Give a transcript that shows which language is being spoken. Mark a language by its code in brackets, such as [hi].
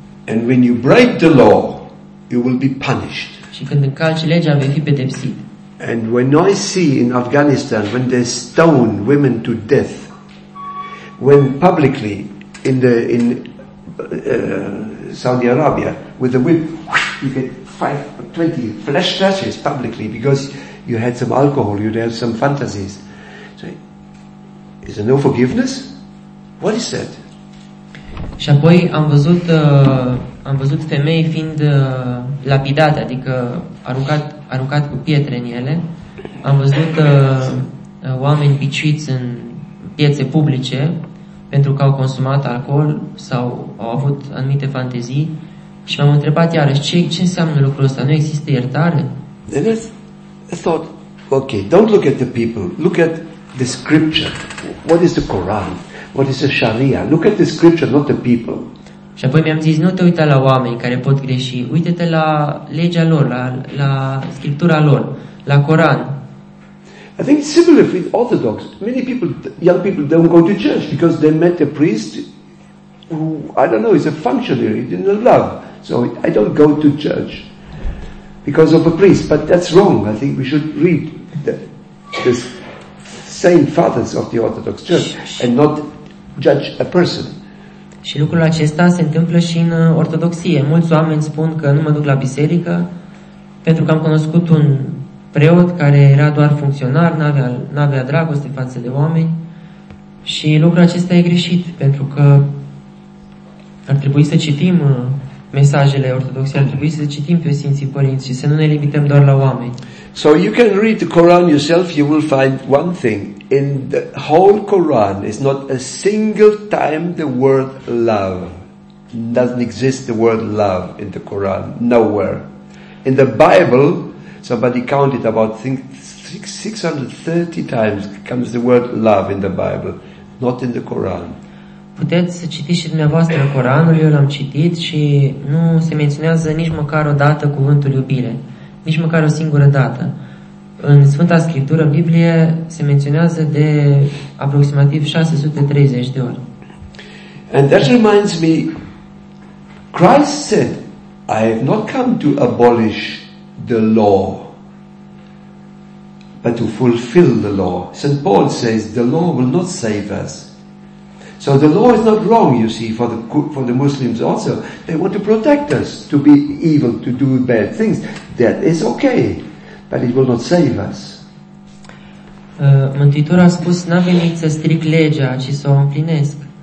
[en] And when you break the law, you will be punished. [ro] Și când încalci legea, vei fi pedepsit. [en] And when I see in Afghanistan when they stone women to death, when publicly in Saudi Arabia with a whip you get 20 flesh slashes publicly because you had some alcohol, you had some fantasies. So is there no forgiveness? What is that? [ro] Și apoi am văzut femei fiind lapidate, adică aruncat cu pietre în ele. Am văzut oameni biciuiți în piețe publice, pentru că au consumat alcool sau au avut anumite fantezii. Și m-am întrebat iarăși, ce înseamnă lucrul ăsta? Nu există iertare? [en] Then I thought, okay, don't look at the people, look at the scripture. What is the Quran? What is the Sharia? Look at the scripture, not the people. [ro] Și apoi mi-am zis, nu te uita la oameni care pot greși, uite-te la legea lor, la scriptura lor, la Coran. [en] I think it's similar with Orthodox. Many people, young people, don't go to church because they met a priest who, I don't know, is a functionary, didn't love. So I don't go to church because of a priest. But that's wrong. I think we should read the same fathers of the Orthodox Church and not judge a person. [ro] Și lucrul acesta se întâmplă și în ortodoxie. Mulți oameni spun că nu mă duc la biserică pentru că am cunoscut un preot care era doar funcționar, n-avea dragoste față de oameni, și lucrul acesta e greșit, pentru că ar trebui să citim mesajele ortodoxe, ar trebui să citim pe Sfinții Părinți și să nu ne limităm doar la oameni. [en] So you can read the Quran yourself, you will find one thing. In the whole Quran is not a single time the word love. Doesn't exist the word love in the Quran, nowhere. In the Bible, somebody counted about 630 times comes the word love in the Bible, not in the Quran. [ro] Puteți să citiți și dumneavoastră Coranul, eu l-am citit și nu se menționează nici măcar o dată cuvântul iubire. Nici măcar o singură dată. În Sfânta Scriptură, Biblie, se menționează de aproximativ 630 de ori. [en] And that reminds me, Christ said, I have not come to abolish the law, but to fulfill the law. St. Paul says, the law will not save us. So the law is not wrong, you see, for the Muslims also. They want to protect us, to be evil, to do bad things. That is okay, but it will not save us. [ro] Mântuitorul a spus, n-a venit să stric legea, ci să o împlinesc.